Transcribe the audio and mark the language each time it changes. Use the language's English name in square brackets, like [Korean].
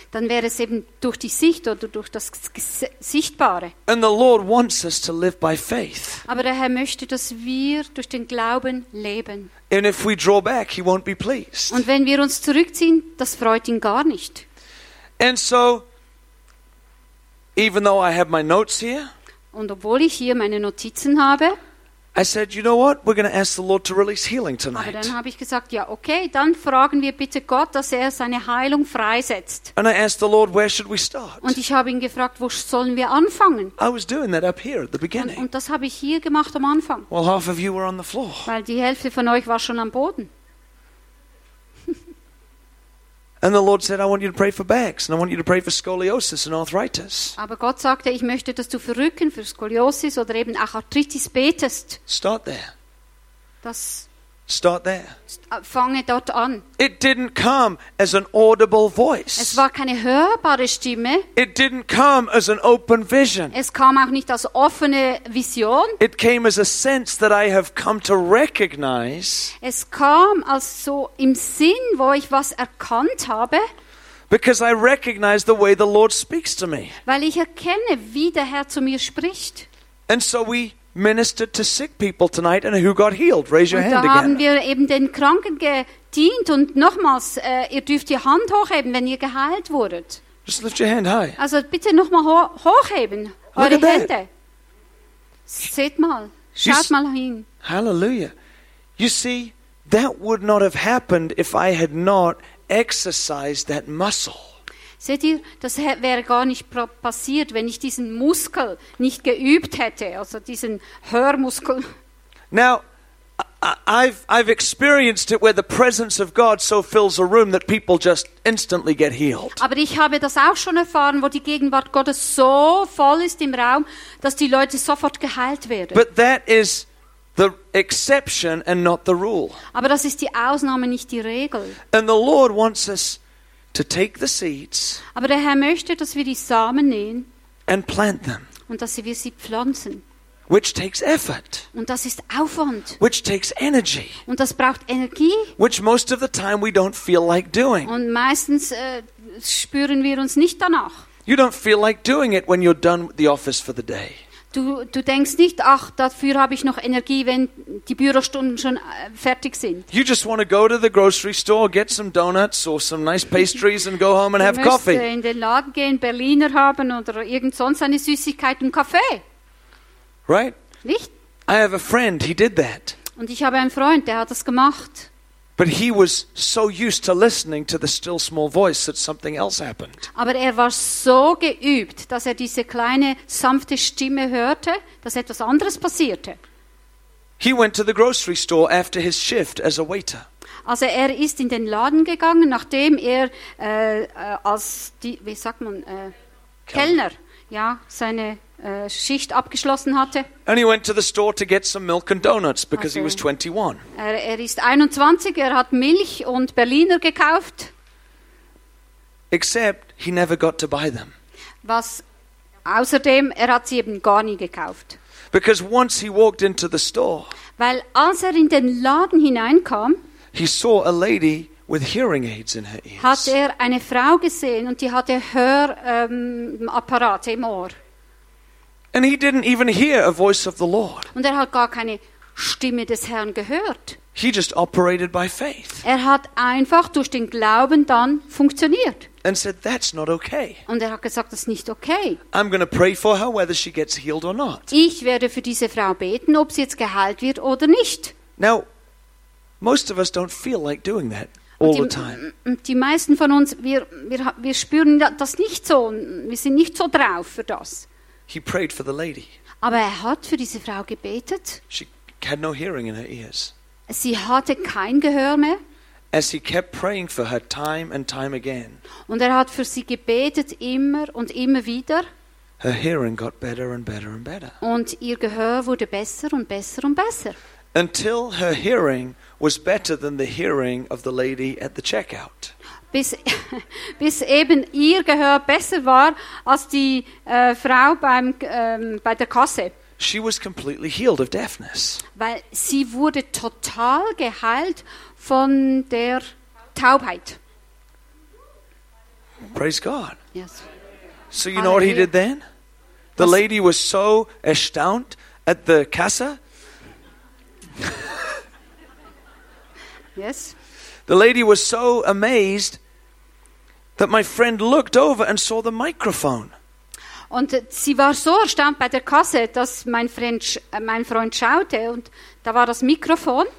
[German] Dann wäre es eben durch die Sicht oder durch das Sichtbare. [English] And the Lord wants us to live by faith. [German] Aber der Herr möchte, dass wir durch den Glauben leben. [English] And if we draw back, he won't be pleased. [German] Und wenn wir uns zurückziehen, das freut ihn gar nicht. [English] And so, even though I have my notes here, [German] und obwohl ich hier meine Notizen habe, [English] I said, you know what? We're going to ask the Lord to release healing tonight. [German] Aber dann habe ich gesagt, ja, okay, dann fragen wir bitte Gott, dass er seine Heilung freisetzt. [English] And I asked the Lord, where should we start? [German] Und ich habe ihn gefragt, wo sollen wir anfangen? [English] I was doing that up here at the beginning. [German] Und das habe ich hier gemacht am Anfang. [English] Well, half of you were on the floor. [German] Weil die Hälfte von euch war schon am Boden. [English] And the Lord said, I want you to pray for backs and I want you to pray for scoliosis and arthritis. [German] Aber Gott sagte, ich möchte, dass du für Rücken, für Skoliosis oder eben auch Arthritis betest. [English] Start there. [German] Das [English] Start there. [German] Fange dort an. [English] It didn't come as an audible voice. [German] Es war keine hörbare Stimme. [English] It didn't come as an open vision. [German] Es kam auch nicht als offene Vision. [English] It came as a sense that I have come to recognize. [German] Es kam als so im Sinn, wo ich was erkannt habe. [English] Because I recognize the way the Lord speaks to me. [German] Weil ich erkenne, wie der Herr zu mir spricht. [English] And so we ministered to sick people tonight, and who got healed? Raise your hand again. [German] Da haben wir eben den Kranken gedient und nochmals, ihr dürft die Hand hochheben, wenn ihr geheilt wurdet. [English] Just lift your hand high. [German] Also bitte nochmal hochheben eure Hände. Seht mal, schaut mal hin. Hallelujah. [English] You see, that would not have happened if I had not exercised that muscle. [German] Seht ihr, das wäre gar nicht passiert, wenn ich diesen Muskel nicht geübt hätte, also diesen Hörmuskel. [English] Now, I've experienced it where the presence of God so fills a room that people just instantly get healed. [German] Aber ich habe das auch schon erfahren, wo die Gegenwart Gottes so voll ist im Raum, dass die Leute sofort geheilt werden. [English] But that is the exception and not the rule. [German] Aber das ist die Ausnahme, nicht die Regel. [English] And the Lord wants us to take the seeds. [German] Aber der Herr möchte, dass wir die Samen nehmen. [English] And plant them. [German] Und dass wir sie pflanzen. [English] Which takes effort. [German] Und das ist Aufwand. [English] Which takes energy. [German] Und das braucht Energie. [English] Which most of the time we don't feel like doing. [German] Und meistens spüren wir uns nicht danach. [English] You don't feel like doing it when you're done with the office for the day. [German] Du denkst nicht, ach, dafür habe ich noch Energie, wenn die Bürostunden schon fertig sind. [English] You just want to go to the grocery store, get some donuts or some nice pastries and go home and have coffee. [German] Du möchtest in den Laden gehen, Berliner haben oder irgend sonst eine Süßigkeit und Kaffee. [English] Right? [German] Nicht? [English] I have a friend, he did that. [German] Und ich habe einen Freund, der hat das gemacht. [English] But he was so used to listening to the still small voice that something else happened. [German] Aber er war so geübt, dass er diese kleine sanfte Stimme hörte, dass etwas anderes passierte. [English] He went to the grocery store after his shift as a waiter. [German] Also er ist in den Laden gegangen, nachdem er als die, wie sagt man, Kellner, ja, seine Schicht abgeschlossen hatte. [English] And he went to the store to get some milk and donuts because also, he was 21. [German] Er ist 21, er hat Milch und Berliner gekauft. [English] Except he never got to buy them. [German] Was außerdem, er hat sie eben gar nie gekauft. [English] Because once he walked into the store. [German] Weil als er in den Laden hineinkam, [English] he saw a lady with hearing aids in her ears. [German] Hat er eine Frau gesehen und die hatte Hörapparate im Ohr. [English] And he didn't even hear a voice of the Lord. [German] Und er hat gar keine Stimme des Herrn gehört. [English] He just operated by faith. [German] Er hat einfach durch den Glauben dann funktioniert. [English] And said, that's not okay. [German] Und er hat gesagt, das ist nicht okay. [English] I'm going to pray for her whether she gets healed or not. [German] Ich werde für diese Frau beten, ob sie jetzt geheilt wird oder nicht. [English] Now, most of us don't feel like doing that. [German] Die meisten von uns, wir spüren das nicht so. Wir sind nicht so drauf für das. [English] He prayed for the lady. [German] Aber er hat für diese Frau gebetet. [English] She had no hearing in her ears. [German] Sie hatte kein Gehör mehr. [English] As he kept praying for her time and time again. [German] Und er hat für sie gebetet immer und immer wieder. [English] Her hearing got better and better and better. [German] Und ihr Gehör wurde besser und besser und besser. [English] Until her hearing was better than the hearing of the lady at the checkout. [German] Bis eben ihr Gehör besser war als die Frau bei der Kasse. [English] She was completely healed of deafness. [German] Weil sie wurde total geheilt von der Taubheit. [English] Praise God. Yes. So you know what he did then? The lady was so astounded at the Kasse. Yes. The lady was so amazed that my friend looked over and saw the microphone. [German] Und sie war so erstaunt bei der Kasse, dass mein Freund schaute und da war das Mikrofon.